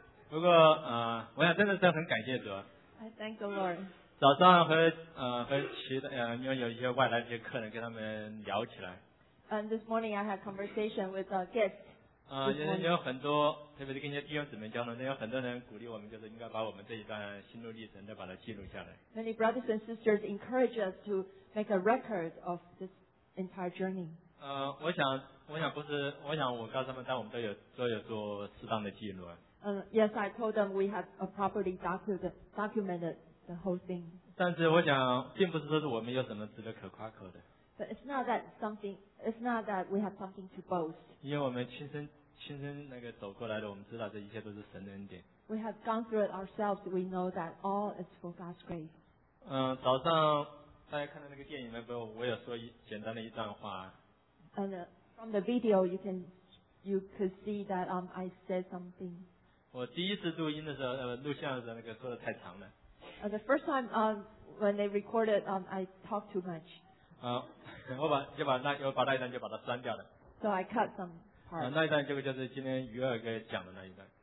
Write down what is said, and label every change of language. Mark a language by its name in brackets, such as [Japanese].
[Chinese] 不过我想真的是很感谢主。 [English] I thank the Lord. [Chinese] 早上和其他因为有一些外来的一些客人跟他们聊起来。 [English] And this morning I had conversation with a guest. [Chinese] 有很多，特别是跟一些弟兄姊妹交流，有很多人鼓励我们，就是应该把我们这一段心路历程再把它记录下来。 [English] Many brothers and sisters encourage us to make a record of this entire journey. [Chinese] 我想我告诉他们，但我们都有做适当的记录。 [English] Yes, I told them we have a properly documented. The whole thing. [Chinese] 但是我想并不是说是我们有什么值得可夸口的。 [English] But it's not that we have something to boast. [Chinese] 因为我们亲身那个走过来的，我们知道这一切都是神的恩典。 [English] We have gone through it ourselves. We know that all is for God's grace. [Chinese] 早上大家看到那个电影的时候，我有说简单的一段话。 [English] And from the video, you could see that I said something. [Chinese] 我第一次录音的时候，录像的时候那个说的太长了。 [English] The first time when they recorded, I talked too much. [Chinese] 我把那一段就把它删掉了。 [English] So I cut some part. [Chinese] 那一段就是今天于二哥讲的那一段。